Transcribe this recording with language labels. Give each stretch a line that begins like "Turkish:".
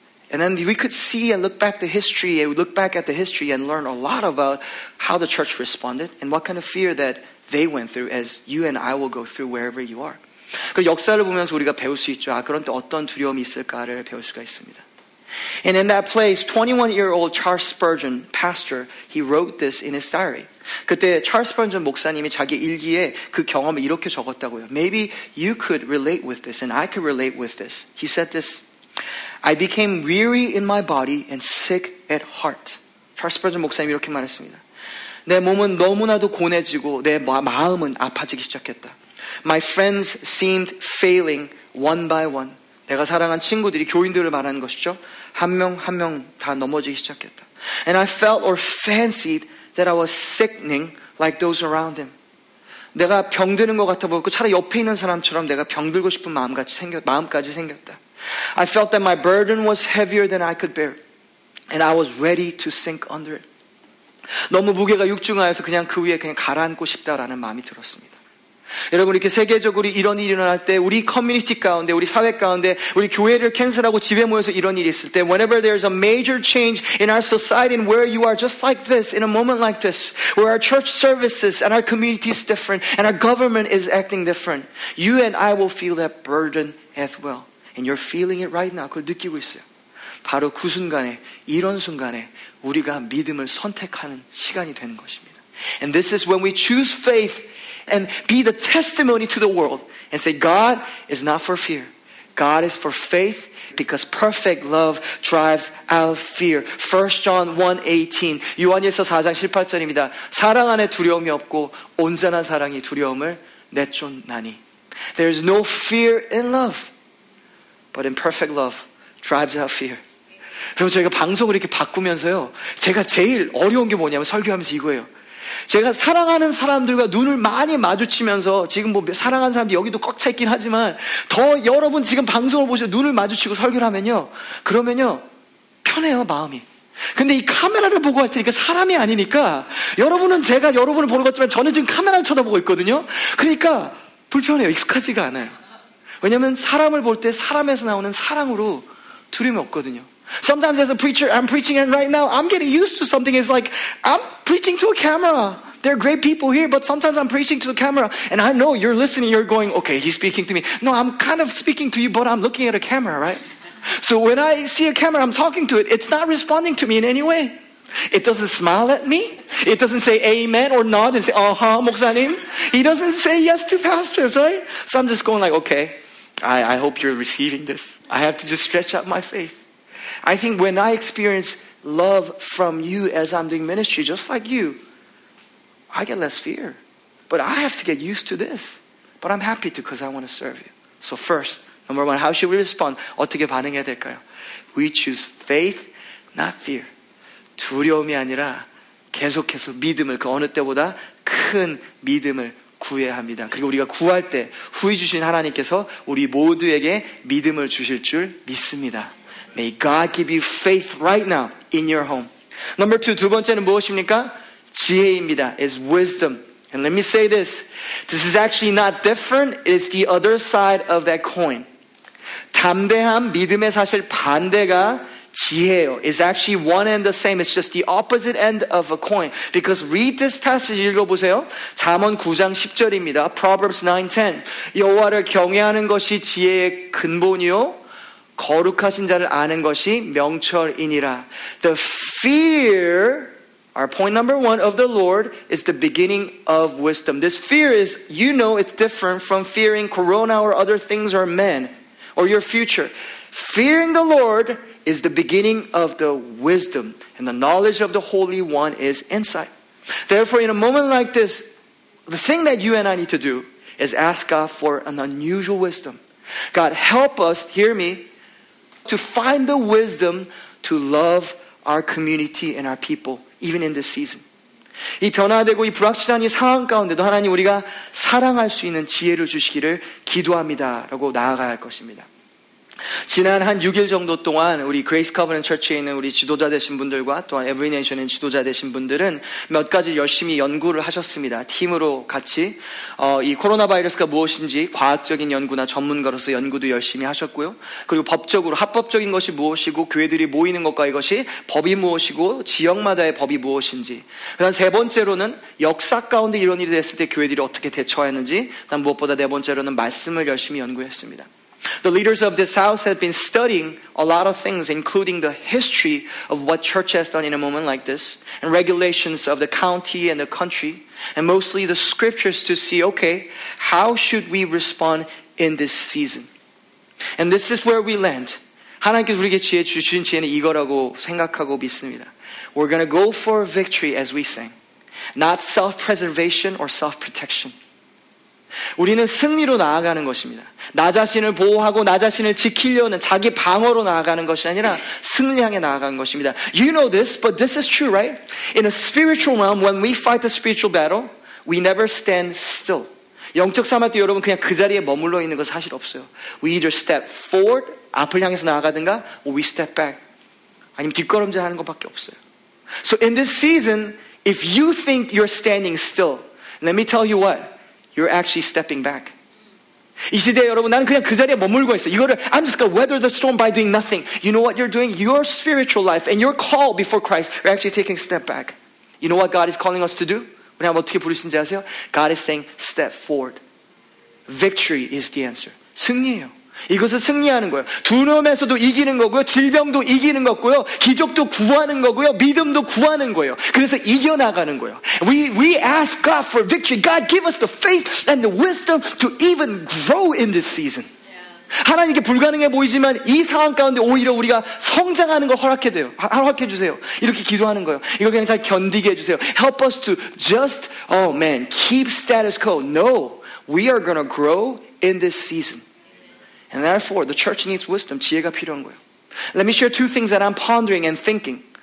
English: And then we could see and look back the history, and we look back at the history and learn a lot about how the church responded and what kind of fear that they went through, as you and I will go through wherever you are.
Korean: 그 역사를 보면서 우리가 배울 수 있죠. 아, 그런 때 어떤 두려움이 있을까를 배울 수가 있습니다.
English: And in that place, 21-year-old Charles Spurgeon, pastor, he wrote this in his diary.
Korean: 그때 Charles Spurgeon 목사님이 자기 일기에 그 경험을 이렇게 적었다고요.
English: Maybe you could relate with this, and I could relate with this. He said this, I became weary in my body and sick at heart.
Korean: Charles Spurgeon 목사님 이렇게 말했습니다. 내 몸은 너무나도 고뇌지고 내 마음은 아파지기 시작했다.
English: My friends seemed failing one by one.
Korean: 내가 사랑한 친구들이 교인들을 말하는 것이죠. 한 명 한 명 다 넘어지기 시작했다.
English: And I felt or fancied that I was sickening like those around him.
Korean: 내가 병드는 것 같아 보였고 차라리 옆에 있는 사람처럼 내가 병들고 싶은 마음까지 생겼다.
English: I felt that my burden was heavier than I could bear, and I was ready to sink under it.
Korean: 너무 무게가 육중하여서 그냥 그 위에 그냥 가라앉고 싶다라는 마음이 들었습니다. 여러분, 이렇게 세계적으로 이런 일이 일어날 때 우리 커뮤니티 가운데, 우리 사회 가운데, 우리 교회를 캔슬하고 집에 모여서 이런 일이 있을 때
English: whenever there's a major change in our society and where you are just like this in a moment like this where our church services and our community is different and our government is acting different you and I will feel that burden as well and you're feeling it right now
Korean: 그걸 느끼고 있어요. 바로 그 순간에, 이런 순간에 우리가 믿음을 선택하는 시간이 되는 것입니다.
English: And this is when we choose faith and be the testimony to the world and say, God is not for fear. God is for faith because perfect love drives out fear.
Korean: 1 John 1:18 요한일서 4장 18절입니다. 사랑 안에 두려움이 없고 온전한 사랑이 두려움을 내쫓나니.
English: There is no fear in love, but in perfect love drives out fear.
Korean: 그럼 저희가 방송을 이렇게 바꾸면서요, 제가 제일 어려운 게 뭐냐면 설교하면서 이거예요. 제가 사랑하는 사람들과 눈을 많이 마주치면서 지금 뭐 사랑하는 사람들 여기도 꽉 차 있긴 하지만 더 여러분 지금 방송을 보시고 눈을 마주치고 설교를 하면요, 그러면요 편해요 마음이. 근데 이 카메라를 보고 할 테니까 사람이 아니니까 여러분은 제가 여러분을 보는 것 같지만 저는 지금 카메라를 쳐다보고 있거든요. 그러니까 불편해요. 익숙하지가 않아요. 왜냐하면 사람을 볼 때 사람에서 나오는 사랑으로 두려움이 없거든요.
English: Sometimes as a preacher, I'm preaching and right now I'm getting used to something. It's like I'm preaching to a camera. There are great people here, but sometimes I'm preaching to the camera and I know you're listening. You're going, okay, he's speaking to me. No, I'm kind of speaking to you, but I'm looking at a camera, right? So when I see a camera, I'm talking to it. It's not responding to me in any way. It doesn't smile at me. It doesn't say amen or nod and say, uh-huh, 목사님. He doesn't say yes to pastors, right? So I'm just going like, okay, I hope you're receiving this. I have to just stretch out my faith. I think when I experience love from you as I'm doing ministry, just like you, I get less fear. But I have to get used to this. But I'm happy to because I want to serve you. So first, number one, how should we respond?
Korean: 어떻게 반응해야 될까요?
English: We choose faith, not fear.
Korean: 두려움이 아니라 계속해서 믿음을, 그 어느 때보다 큰 믿음을 구해야 합니다. 그리고 우리가 구할 때 후에 주신 하나님께서 우리 모두에게 믿음을 주실 줄 믿습니다.
English: May God give you faith right now in your home. Number two,
Korean: 두 번째는 무엇입니까? 지혜입니다.
English: It's wisdom. And let me say this. This is actually not different. It's the other side of that coin.
Korean: 담대함, 믿음의 사실 반대가 지혜예요.
English: It's actually one and the same. It's just the opposite end of a coin. Because read this passage,
Korean: 읽어보세요. 잠언 9장 10절입니다.
English: Proverbs 9:10.
Korean: 여호와를 경외하는 것이 지혜의 근본이요. 거룩하신 자를 아는 것이 명철이니라.
English: The fear, our point number one of the Lord, is the beginning of wisdom. This fear is, you know, it's different from fearing corona or other things or men or your future. Fearing the Lord is the beginning of the wisdom, and the knowledge of the Holy One is insight. Therefore, in a moment like this, the thing that you and I need to do is ask God for an unusual wisdom. God, help us, hear me, to find the wisdom to love our community and our people, even in this season.
Korean: 이 변화되고 이 불확실한 이 상황 가운데도 하나님 우리가 사랑할 수 있는 지혜를 주시기를 기도합니다. 라고 나아가야 할 것입니다. 지난 한 6일 정도 동안 우리 Grace Covenant Church에 있는 우리 지도자 되신 분들과 또한 Every Nation의 지도자 되신 분들은 몇 가지 열심히 연구를 하셨습니다. 팀으로 같이 이 코로나 바이러스가 무엇인지 과학적인 연구나 전문가로서 연구도 열심히 하셨고요. 그리고 법적으로 합법적인 것이 무엇이고 교회들이 모이는 것과 이것이 법이 무엇이고 지역마다의 법이 무엇인지, 그다음 세 번째로는 역사 가운데 이런 일이 됐을 때 교회들이 어떻게 대처하는지, 그다음 무엇보다 네 번째로는 말씀을 열심히 연구했습니다.
English: The leaders of this house have been studying a lot of things, including the history of what church has done in a moment like this, and regulations of the county and the country, and mostly the scriptures to see, okay, how should we respond in this season? And this is where we land.
Korean: 하나님께서 우리에게 지혜 주신 지혜는 이거라고 생각하고 믿습니다.
English: We're going to go for victory as we sing, not self-preservation or self-protection.
Korean: 우리는 승리로 나아가는 것입니다. 나 자신을 보호하고 나 자신을 지키려는 자기 방어로 나아가는 것이 아니라 승리향에 나아가는 것입니다.
English: You know this, but this is true, right? In a spiritual realm, when we fight the spiritual battle, we never stand still.
Korean: 영적 싸움할 때 여러분 그냥 그 자리에 머물러 있는 것은 사실 없어요.
English: We either step forward,
Korean: 앞을 향해서 나아가든가,
English: or we step back.
Korean: 아니면 뒷걸음질 하는 것밖에 없어요.
English: So in this season, If you think you're standing still, let me tell you what. You're actually stepping back.
Korean: 이 시대에 여러분 나는 그냥 그 자리에 머물고 있어 이거를
English: I'm just gonna weather the storm by doing nothing. You know what you're doing? Your spiritual life and your call before Christ are actually taking a step back. You know what God is calling us to do?
Korean: 하나님 어떻게 부르신지 아세요?
English: God is saying step forward. Victory is the answer.
Korean: 승리예요. 이것을 승리하는 거예요. 두려움에서도 이기는 거고요. 질병도 이기는 거고요. 기적도 구하는 거고요. 믿음도 구하는 거예요. 그래서 이겨나가는 거예요.
English: We ask God for victory. God give us the faith and the wisdom to even grow in this season. Yeah.
Korean: 하나님께 불가능해 보이지만 이 상황 가운데 오히려 우리가 성장하는 걸 허락해 돼요. 허락해 주세요. 이렇게 기도하는 거예요. 이거 그냥 잘 견디게 해주세요.
English: Help us to just, oh man, keep status quo. No, we are going to grow in this season. And therefore, the church needs wisdom.
Korean: 지혜가 필요한 거예요.
English: Let me share two things that I'm pondering and thinking.